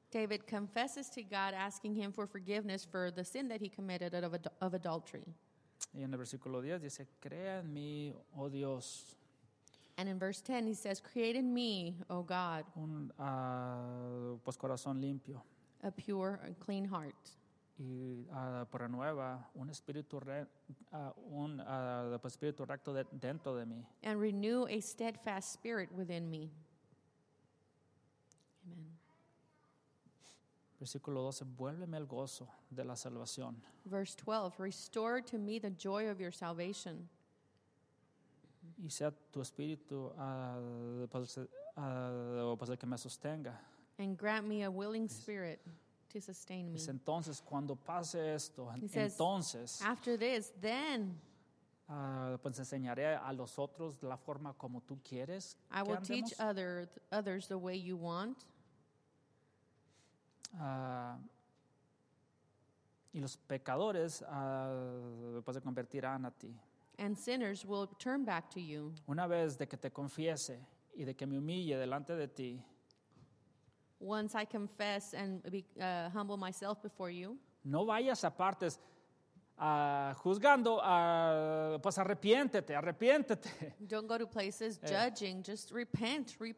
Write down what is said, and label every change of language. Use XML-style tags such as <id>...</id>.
<en>David confesses to God asking him for forgiveness for the sin that he committed of adultery.</en> <es>Y en el versículo 10 dice, crea en mí, oh Dios.</es> <en>And in verse 10 he says, create in me, oh God,</en> <es>un pues corazón limpio.</es> <en>A pure and clean heart.</en> <es>Y por renueva un espíritu un espíritu recto dentro de mí.</es> <en>And renew a steadfast spirit within me. Amen.</en> <es>Versículo 12, vuélveme el gozo de la salvación.</es> <en>Verse 12, restore to me the joy of your salvation.</en> <es>Y sea tu espíritu pues el que me sostenga.</es> <en>And grant me a willing spirit to sustain me.</en> <es>Dice, entonces, cuando pase esto, entonces,</es> <en>after this, then,</en> <es>pues enseñaré a los otros la forma como tú quieres.</es> <en>I will teach others the way you want.</en> <es>Y los pecadores pues se convertirán a ti.</es> <en>And sinners will turn back to you.</en> <es>Una vez de que te confiese y de que me humille delante de ti.</es> <en>Once I confess and humble myself before you.</en> <es>No vayas a partes juzgando, pues arrepiéntete.</es> <en>Don't go to places judging, just repent.</en>